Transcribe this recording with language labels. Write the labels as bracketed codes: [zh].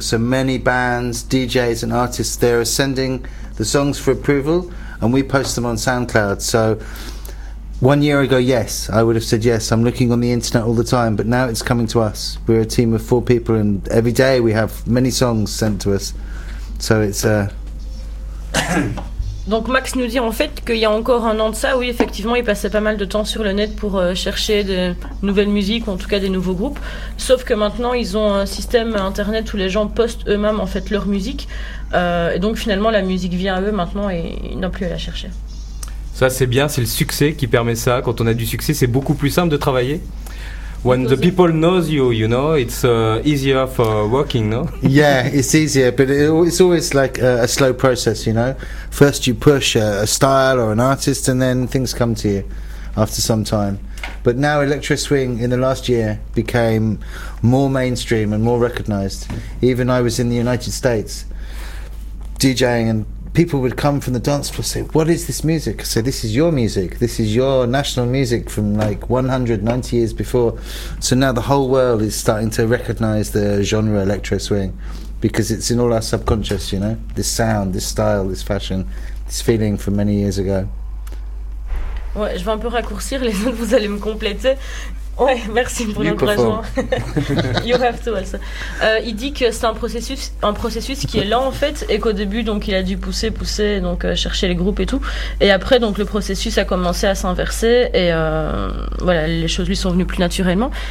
[en] So many bands, DJs, and artists, they're sending the songs for approval, and we post them on SoundCloud. So 1 year ago, yes, I would have said yes. I'm looking on the internet all the time, but now it's coming to us. We're a team of 4 people, and every day we have many songs sent to us. So it's a... [fr] Donc Max nous dit en fait qu'il y a encore un an de ça, oui, effectivement, il passait pas mal de temps sur le net pour chercher de nouvelles musiques, ou en tout cas des nouveaux groupes. Sauf que maintenant, ils ont un système internet où les gens postent eux-mêmes en fait leur musique. Et donc finalement, la musique vient à eux maintenant et ils n'ont plus à la chercher. Ça, c'est bien, c'est le succès qui permet ça. Quand on a du succès, c'est beaucoup plus simple de travailler. [en] When the people knows you, you know, it's easier for working, no? Yeah, it's easier, but it's always like a slow process, you know? First you push a style or an artist, and then things come to you after some time. But now Electro Swing, in the last year, became more mainstream and more recognized. Even I was in the United States DJing, and people would come from the dance floor and say, what is this music? I say, this is your music. This is your national music from like 190 years before. So now the whole world is starting to recognize the genre electro swing because it's in all our subconscious, you know, this sound, this style, this fashion, this feeling from many years ago. [fr] Ouais, je vais un peu raccourcir, les autres, vous allez me compléter. Ouais, merci pour l'encouragement. [en] You have to also. [fr] Il dit que c'est un processus qui est lent en fait, et qu'au début donc il a dû pousser donc chercher les groupes et tout, et après donc le processus a commencé à s'inverser et voilà, les choses lui sont venues plus naturellement.